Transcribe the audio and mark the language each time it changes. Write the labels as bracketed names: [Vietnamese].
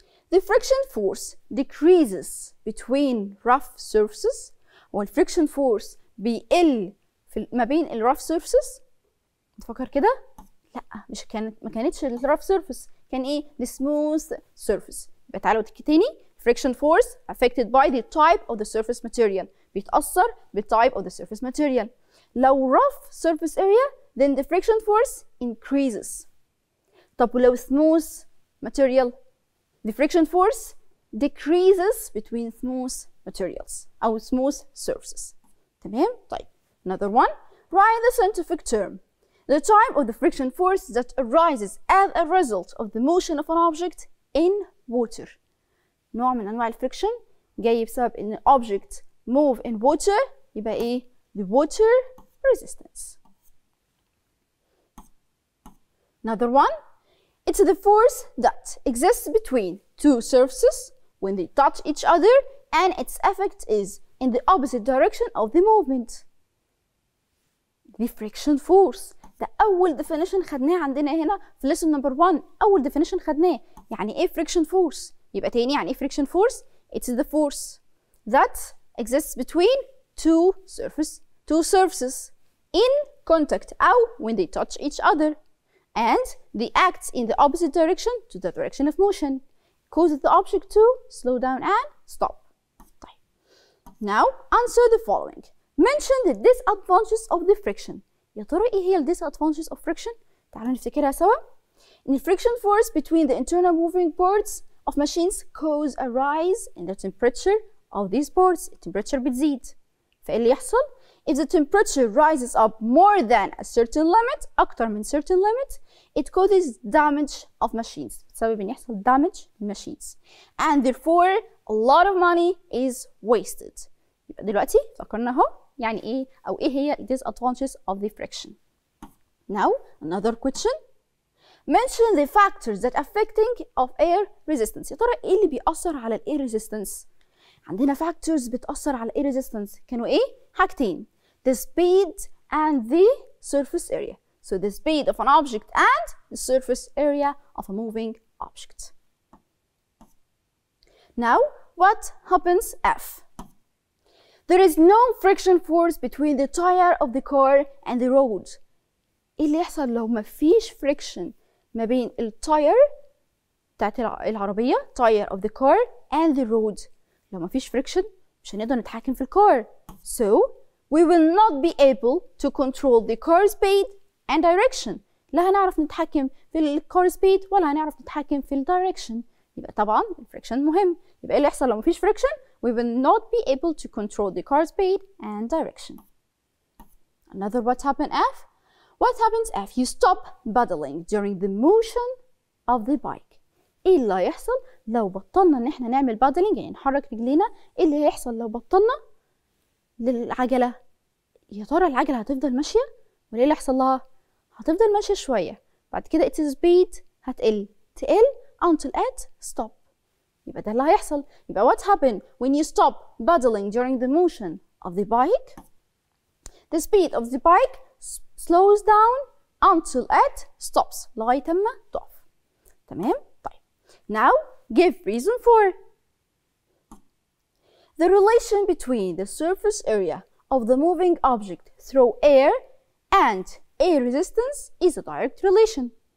[English] The friction force decreases between rough surfaces. [Arabic] والfriction force بيقل في ما بين ال rough surfaces. تفكر كده؟ لا، مش كانت ما كانتش ال rough surface، كان ايه؟ [English] the smooth surface. [Arabic] بتعالوا تاني. [English] Friction force affected by the type of the surface material. بيتأثر بالtype of the surface material. لو rough surface area then the friction force increases. طب ولو smooth material the friction force decreases between smooth materials أو smooth surfaces. تمام؟ طيب another one. Write the scientific term. The type of the friction force that arises as a result of the motion of an object in water. [Arabic] نوع من أنواع الفريكشن جاي بسبب إن [English] object move in water، [Arabic] يبقى إيه؟ [English] The water resistance. Another one. It's the force that exists between two surfaces when they touch each other and its effect is in the opposite direction of the movement. The friction force. [Arabic] ده أول definition خدناه عندنا هنا في lesson number one. أول definition خدناه. يعني إيه [English] friction force؟ [Arabic] يبقى تاني يعني إيه [English] friction force؟ It's the force that exists between two surfaces in contact أو when they touch each other and they act in the opposite direction to the direction of motion causes the object to slow down and stop. [Arabic] طيب. [English] Now answer the following. Mention the disadvantages of the friction. [Arabic] يا ترى إيه هي disadvantages of friction؟ تعالوا نفتكرها سوا. [English] In friction force between the internal moving parts of machines cause a rise in the temperature of these parts. Temperature [Arabic] بتزيد. فإيه اللي يحصل؟ [English] If the temperature rises up more than a certain limit, [Arabic] أكتر من [English] certain limit, it causes damage of machines. [Arabic] بتسبب إن يحصل damage machines. [English] And therefore, a lot of money is wasted. [Arabic] يبقى دلوقتي فكرنا هو يعني إيه أو إيه هي disadvantages of the friction. [English] Now, another question. Mention the factors that affecting of air resistance. [Arabic] يا ترى ايه اللي بيأثر على الـ air resistance؟ عندنا factors بتأثر على الـ air resistance كانوا ايه؟ حاجتين. [English] The speed and the surface area. So the speed of an object and the surface area of a moving object. Now, what happens if? There is no friction force between the tire of the car and the road. [Arabic] ايه اللي يحصل لو مفيش friction ما بين التاير بتاعت العربية [English] tire of the car and the road. [Arabic] لو ما فيش friction مش هنقدر نتحكم في الكار. [English] So we will not be able to control the car speed and direction. [Arabic] لا هنعرف نتحكم في الكار سبيد ولا هنعرف نتحكم في الدايركشن. يبقى طبعا الفريكشن مهم. يبقى ايه اللي يحصل لو مفيش فريكشن؟ [English] We will not be able to control the car speed and direction. Another what happens if? What happens if you stop pedaling during the motion of the bike? [Arabic] ايه اللي هيحصل لو بطلنا ان احنا نعمل pedaling يعني نحرك رجلينا؟ ايه اللي هيحصل لو بطلنا للعجلة؟ يا ترى العجلة هتفضل ماشية؟ وليه اللي يحصل لها؟ هتفضل ماشية شوية بعد كده its speed هتقل تقل until it stop. يبقى ده اللي هيحصل. [English] يبقى what happen when you stop pedaling during the motion of the bike? The speed of the bike slows down until it stops. [Arabic] لغاية ما توقف. تمام؟ طيب. [English] Now give reason for the relation between the surface area of the moving object through air and air resistance is a direct relation.